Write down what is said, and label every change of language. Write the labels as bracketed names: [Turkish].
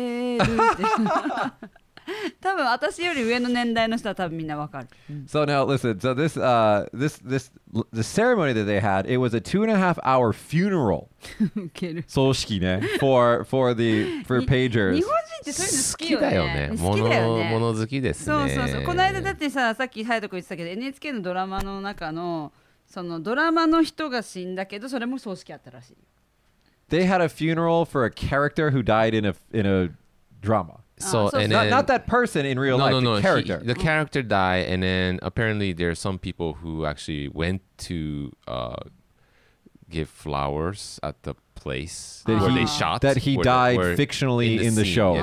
[Japanese] 恋が街を消してるって。 多分私より上の年代の人は多分みんなわかる。 [English] So now listen, so this ceremony that they had, it was a 2.5 hour funeral. [Japanese] 受ける。葬式ね。 [English] for pagers. [Japanese] 日本人ってそういうの好きだよね。好きだよね。物好きですね。そうそうそう。この間だってさ、さっき隼人君言ってたけど NHK のドラマの中のそのドラマの人が死んだけど、それも葬式あったらしい。 [English] They had a funeral for a character who died in a drama. So, not that person in real life. No. The character. The character died, and then apparently there are some people who actually went to give flowers at the place where he died, fictionally in the show.